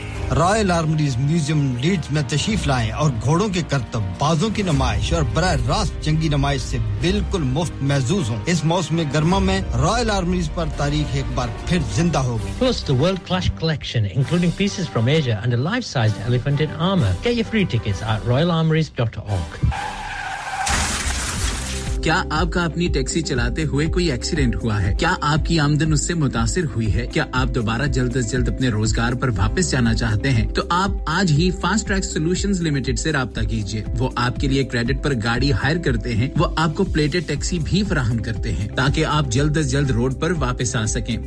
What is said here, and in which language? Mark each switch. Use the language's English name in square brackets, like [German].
[Urdu] Royal آرمریز museum leads میں تشریف لائیں اور گھوڑوں کے کرتب بازوں کی نمائش اور براہ راست جنگی نمائش سے بالکل مفت محظوظ ہوں اس موسم گرما میں رائل آرمریز پر تاریخ ایک بار پھر زندہ ہوگی [English] Plus the world class collection including pieces from Asia and a life-sized elephant in armor Get your free tickets at royalarmories.org [Urdu] کیا آپ کا اپنی ٹیکسی چلاتے ہوئے کوئی ایکسیڈنٹ ہوا ہے؟ کیا آپ کی آمدن اس سے متاثر ہوئی ہے؟ کیا آپ دوبارہ جلد از جلد اپنے روزگار پر واپس جانا چاہتے ہیں؟ تو آپ آج ہی فاسٹ ٹریک سولوشنز لمیٹڈ سے رابطہ کیجیے۔ وہ آپ کے لیے کریڈٹ پر گاڑی ہائر کرتے ہیں، وہ آپ کو پلیٹڈ ٹیکسی بھی فراہم کرتے ہیں تاکہ آپ جلد از جلد روڈ پر واپس آ سکیں۔